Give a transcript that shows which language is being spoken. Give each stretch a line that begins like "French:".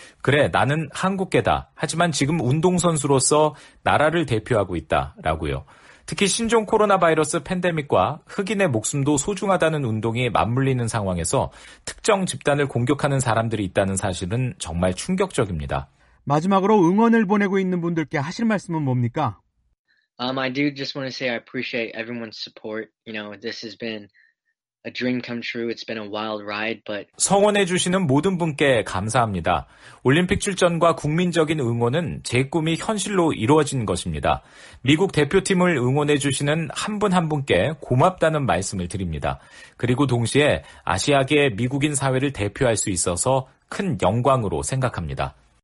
Korean: 그래, 나는 한국계다. 하지만 지금 운동선수로서 나라를 대표하고 있다. 라고요. 특히 신종 코로나 바이러스 팬데믹과 흑인의 목숨도 소중하다는 운동이 맞물리는 상황에서 특정 집단을 공격하는 사람들이 있다는 사실은 정말 충격적입니다. 마지막으로 응원을 보내고 있는 분들께 하실 말씀은 뭡니까?
English: I do just want to say I appreciate everyone's support. You know, this has been A dream come true. It's been a wild ride, but
Korean: 성원해 주시는 모든 분께 감사합니다. 올림픽 출전과 국민적인 응원은 제 꿈이 현실로 이루어진 것입니다. 미국 대표팀을 응원해 주시는 한 분 한 분께 고맙다는 말씀을 드립니다. 그리고 동시에 아시아계 미국인 사회를 대표할 수 있어서 큰 영광으로 생각합니다.